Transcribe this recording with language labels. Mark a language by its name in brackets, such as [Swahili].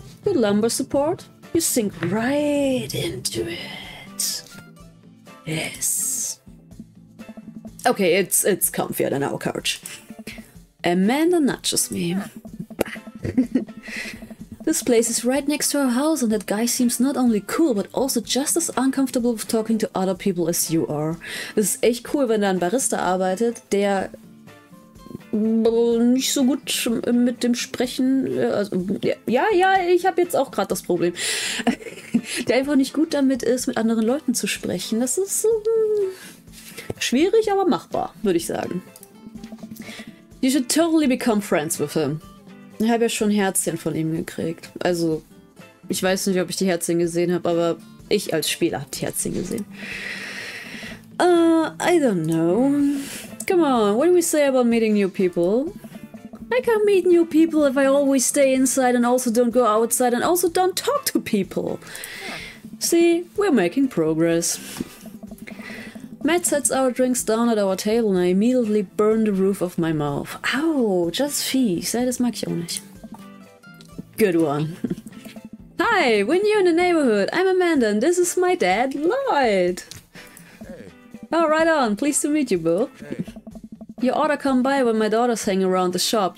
[English] Good lumbar support. You sink right into it. Yes. Okay, it's comfier than our couch. Amanda nudges me. This place is right next to our house and that guy seems not only cool, but also just as uncomfortable with talking to other people as you are. [German] Das ist echt cool, wenn da ein Barista arbeitet, der nicht so gut mit dem Sprechen... Also, ja, ich habe jetzt auch gerade das Problem. Der einfach nicht gut damit ist, mit anderen Leuten zu sprechen. Das ist schwierig, aber machbar, würde ich sagen. [English] You should totally become friends with him. [German] Ich habe ja schon Herzchen von ihm gekriegt. Also, ich weiß nicht, ob ich die Herzchen gesehen habe, aber ich als Spieler habe die Herzchen gesehen. [English] I don't know. Come on, what do we say about meeting new people? I can't meet new people if I always stay inside and also don't go outside and also don't talk to people. See, we're making progress. Matt sets our drinks down at our table and I immediately burn the roof of my mouth. [German] Oh, just fies, das mag ich auch nicht. [English] Good one. Hi, we're new in the neighborhood. I'm Amanda and this is my dad, Lloyd. Hey. Oh, right on. Pleased to meet you both. Hey. You ought to come by when my daughter's hanging around the shop.